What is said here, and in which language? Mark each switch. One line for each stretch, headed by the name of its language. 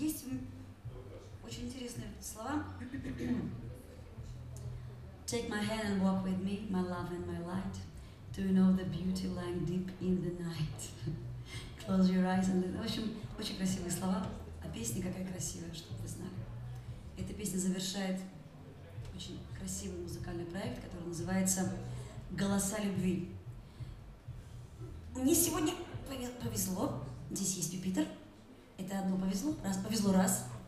Russian: Есть очень интересные слова.
English: Take my hand and walk with me, my love and my light. Do you know the beauty lying deep in the night? Close your eyes and...
Russian: В общем, очень красивые слова. А песня какая красивая, чтобы вы знали. Эта песня завершает очень красивый музыкальный проект, который называется «Голоса любви». Мне сегодня повезло. Здесь есть Юпитер. Это одно повезло. Раз, повезло раз.